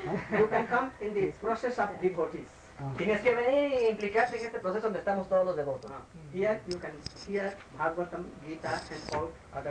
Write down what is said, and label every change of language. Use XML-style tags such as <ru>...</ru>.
<en>You can come in the process of devotees.</en> <es>Tienes que venir e implicarte en este proceso donde estamos todos los devotos.</es> <en>Here you can hear Bhagavatam, Gita and all other</en>